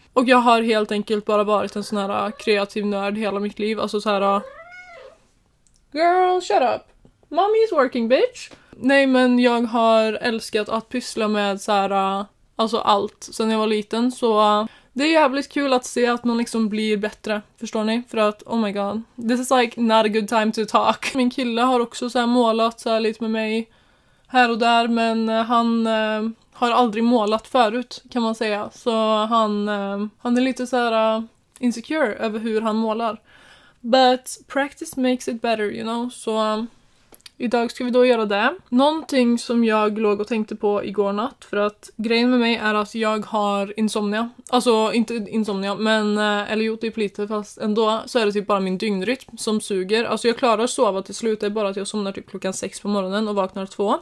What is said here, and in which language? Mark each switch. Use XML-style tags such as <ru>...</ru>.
<sv>Och jag har helt enkelt bara varit en sån här kreativ nörd hela mitt liv. Alltså så här.</sv> <en>Girl, shut up. Mommy is working, bitch.</en> <sv>Nej, men jag har älskat att pyssla med så här, alltså allt sedan jag var liten. Så det är jävligt kul att se att man liksom blir bättre, förstår ni? För att,</sv> <en>oh my god, this is like not a good time to talk.</en> <sv>Min kille har också så här målat så här lite med mig här och där. Men han har aldrig målat förut, kan man säga. Så han är lite så här insecure över hur han målar.</sv> <en>But practice makes it better, you know?</en> <sv>Så idag ska vi då göra det. Någonting som jag låg och tänkte på igår natt. För att grejen med mig är att jag har insomnia. Alltså inte insomnia, men eller jo, typ lite, fast ändå så är det typ bara min dygnrytm som suger. Alltså jag klarar att sova till slut. Det är bara att jag somnar typ klockan 6 på morgonen och vaknar 2.</sv>